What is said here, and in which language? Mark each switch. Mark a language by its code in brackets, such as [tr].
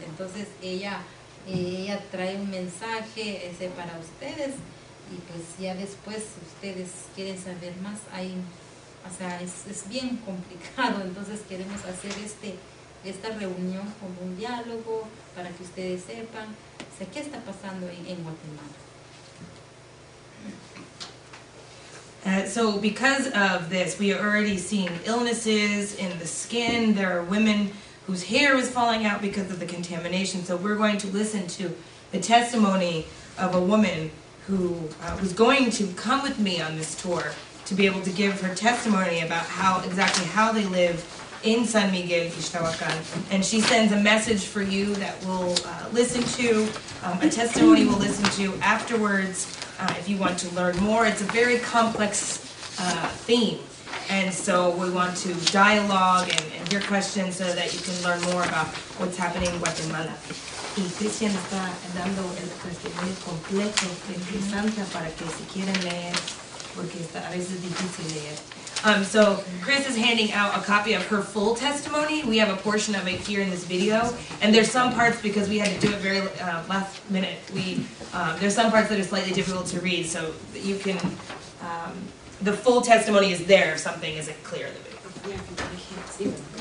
[es] Entonces ella trae un mensaje ese para ustedes, y pues ya después ustedes quieren saber más. Hay, o sea, es bien complicado, entonces queremos hacer esta reunión como un diálogo para que ustedes sepan, o sea, qué está pasando en Guatemala. [en] So because of this, we are already seeing illnesses in the skin. There are women whose hair is falling out because of the contamination. So we're going to listen to the testimony of a woman who was going to come with me on this tour to be able to give her testimony about how they live in San Miguel, Ixtahuacán. And she sends a message for you that we'll listen to, a testimony we'll listen to afterwards if you want to learn more. It's a very complex theme. And so we want to dialogue and hear questions so that you can learn more about what's happening in Guatemala. [es] Y Cristian está dando el testimonio completo, interesante para que si quieren leer, porque a veces es difícil leer. [en] So Chris is handing out a copy of her full testimony. We have a portion of it here in this video, and there's some parts, because we had to do it very last minute. There's some parts that are slightly difficult to read, so you can. The full testimony is there if something isn't clear in the video.